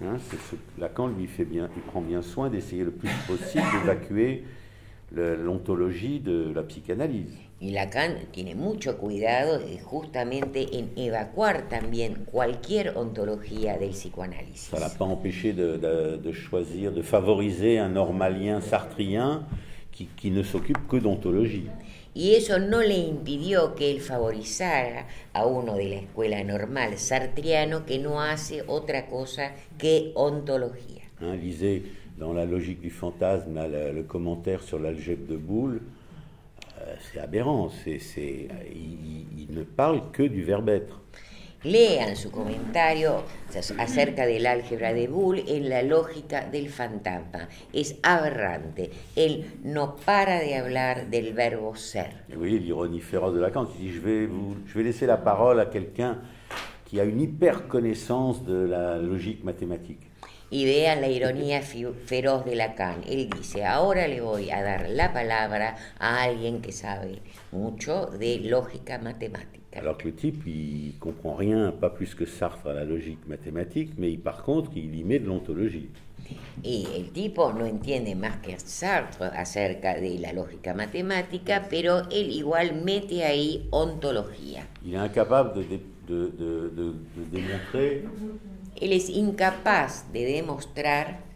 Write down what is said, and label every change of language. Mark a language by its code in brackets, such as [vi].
[fr] Hein, Lacan lui fait bien, il prend bien soin d'essayer le plus possible d'évacuer l'ontologie de la psychanalyse. [es] Y Lacan tiene mucho cuidado justamente en evacuar también cualquier ontología del psicoanálisis. [fr] Ça l'a pas empêché de choisir, de favoriser un normalien sartrien qui ne s'occupe que d'ontologie. [es] Y eso no le impidió que él favorizara a uno de la escuela normal sartriano que no hace otra cosa que ontología. [fr] Hein, lisez dans la logique du fantasme le commentaire sur l'algèbre de Boulle, c'est aberrant, il ne parle que du verbe être. [es] Lean su comentario acerca del álgebra de Boulle en la lógica del fantasma. Es aberrante. Él no para de hablar del verbo ser. [fr] Et oui, l'ironie féroce de Lacan. Il dit, je vais laisser la parole à quelqu'un qui a une hyper connaissance de la logique mathématique. [es] Y vean la ironía feroz de Lacan. Él dice, ahora le voy a dar la palabra a alguien que sabe mucho de lógica matemática. [fr] Alors que le type, il comprend rien, pas plus que Sartre à la logique mathématique, mais par contre, il y met de l'ontologie. Et le type [es] no entiende más que Sartre acerca de la lógica matemática, pero él igual mete ahí ontología. [fr] Il est incapable de démontrer. [es] Él es incapaz de demostrar.